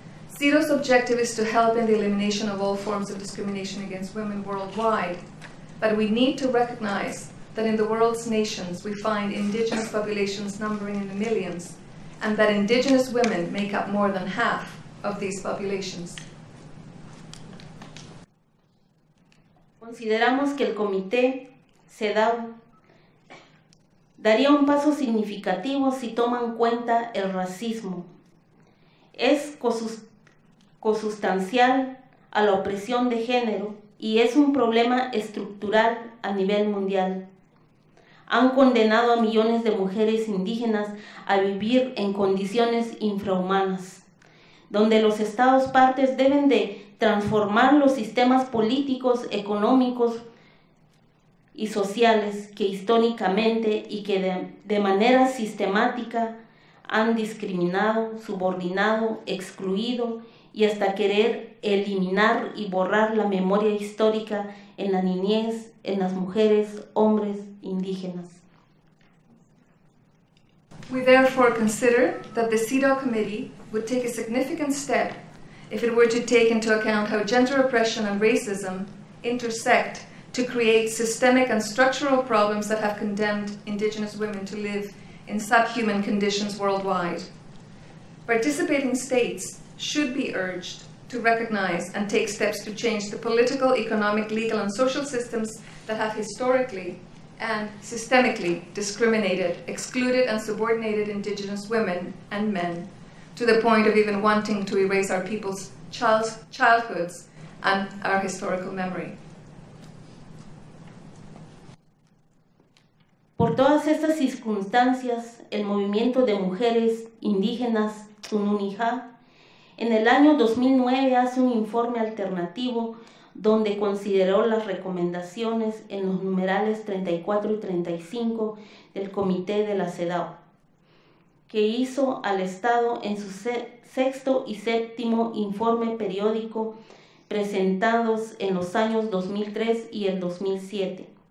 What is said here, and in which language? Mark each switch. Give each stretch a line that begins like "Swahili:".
English: CEDAW's objective is to help in the elimination of all forms of discrimination against women worldwide, but we need to recognize that in the world's nations, we find Indigenous populations numbering in the millions, and that Indigenous women make up more than half of these populations.
Spanish: Consideramos que el comité CEDAW daría un paso significativo si toma en cuenta el racismo. Es consustancial a la opresión de género y es un problema estructural a nivel mundial. Han condenado a millones de mujeres indígenas a vivir en condiciones infrahumanas, donde los estados partes deben de transformar los sistemas políticos, económicos y sociales que históricamente y que de manera sistemática han discriminado, subordinado, excluido y hasta querer eliminar y borrar la memoria histórica en la niñez, en las mujeres, hombres, indígenas.
English: We therefore consider that the CEDAW Committee would take a significant step if it were to take into account how gender oppression and racism intersect to create systemic and structural problems that have condemned Indigenous women to live in subhuman conditions worldwide. Participating states should be urged to recognize and take steps to change the political, economic, legal, and social systems that have historically and systemically discriminated, excluded, and subordinated Indigenous women and men, to the point of even wanting to erase our people's childhoods and our historical memory.
Spanish: Por todas estas circunstancias, el movimiento de mujeres indígenas Tununija, en el año 2009 hace un informe alternativo donde consideró las recomendaciones en los numerales 34 y 35 del Comité de la CEDAW, que hizo al Estado en su sexto y séptimo informe periódico presentados en los años 2003 y el 2007.